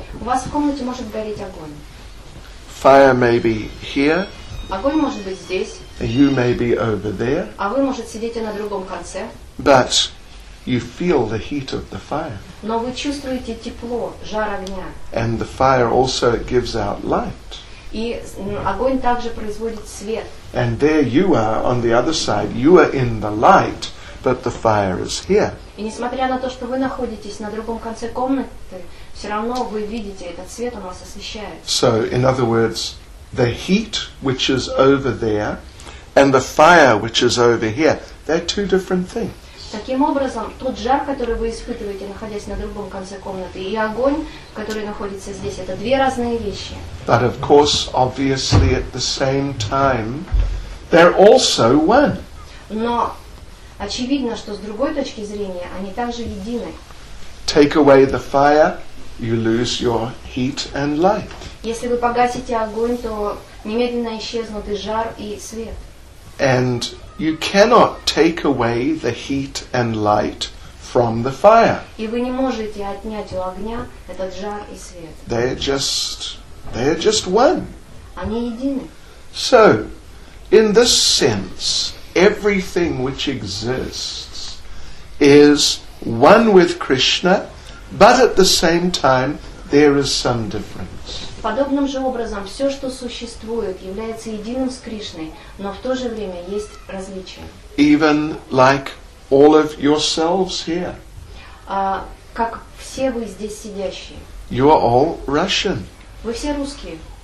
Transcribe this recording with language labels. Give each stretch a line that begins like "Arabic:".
Russian: У вас в комнате может гореть огонь.
English: Fire may be here.
Russian: Огонь может быть здесь.
English: You may be over there.
Russian: А вы, может, сидите на другом конце.
English: But you feel the heat of the fire.
Russian: Но вы чувствуете тепло, жар огня.
English: And the fire also gives out light.
Russian: И огонь также производит свет.
English: And there you are on the other side. You are in the light, but the fire is here.
Russian: И несмотря на то, что вы находитесь на другом конце комнаты, все равно вы видите этот свет, он вас освещает.
English: So, in other words, the heat which is over there and the fire which is over here, they're two different things.
Russian: Таким образом, тот жар, который вы испытываете, находясь на другом конце комнаты, и огонь, который находится здесь, это две разные вещи.
English: But of course, obviously, at the same time, they're also one.
Russian: Но очевидно, что с другой точки зрения, они также едины.
English: Take away the fire, you lose your heat and light.
Russian: Если вы погасите огонь, то немедленно исчезнут и жар, и свет.
English: And you cannot take away the heat and light from the fire.
Russian: И вы не можете отнять у огня этот жар и свет.
English: They're just one.
Russian: Они едины.
English: So, in this sense, everything which exists is one with Krishna, but at the same time, there is some difference.
Russian: Подобным же образом, все, что существует, является единым с Кришной, но в то же время есть различия.
English: Even like all of yourselves here.
Russian: Как все вы здесь сидящие.
English: You are all Russian.
Russian: Вы все русские.